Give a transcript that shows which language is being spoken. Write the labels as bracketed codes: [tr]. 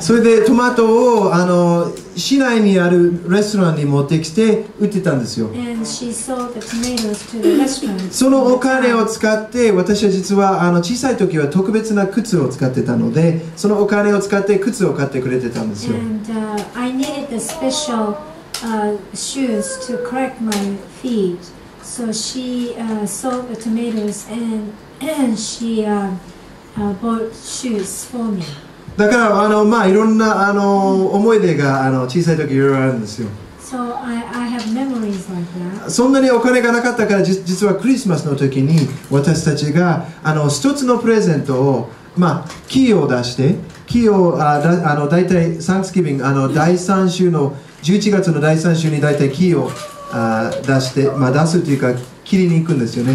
[ja] それでトマトを市内にあるレストランに持ってきて売ってたんですよ。 [en] And she sold the tomatoes to the restaurant. [ja] そのお金を使って私は実は小さい時は特別な靴を使ってたのでそのお金を使って靴を買ってくれてたんですよ。 [en] And I needed the special shoes to correct my feet. So she sold the tomatoes and she bought shoes for me. [ja] だからいろんな思い出が小さい時いろいろあるんですよ。 [en] So I have memories like that. [ja] そんなにお金がなかったから実はクリスマスの時に私たちが一つのプレゼントをキーを出してキーをだいたいサンクスギビング第3週の11月の第3週にだいたいキーを出して出すというか切りに行くんですよね。